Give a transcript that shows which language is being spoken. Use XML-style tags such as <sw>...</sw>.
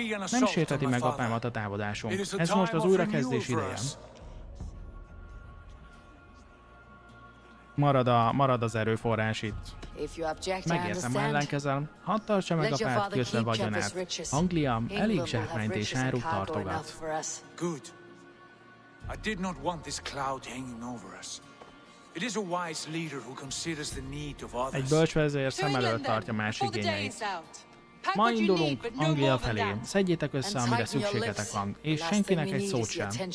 <hu>Nem sértheti meg apámat a távozásunk. Ez most az újrakezdés ideje. Marad az erőforrás itt. Megértem, ha ellenkezel. Hadd tartsa meg apát, kötve vagyonát. Anglia elég zsákmányt és árut tartogat.</hu> <en>I did not want this cloud hanging over us. It is a wise leader who considers the need of others.</en> <hu>Egy bölcs vezér szem előtt tartja más igényeit. Ma indulunk Anglia felé. Szedjétek össze, amire szükségetek van, és senkinek egy szót sem.</hu>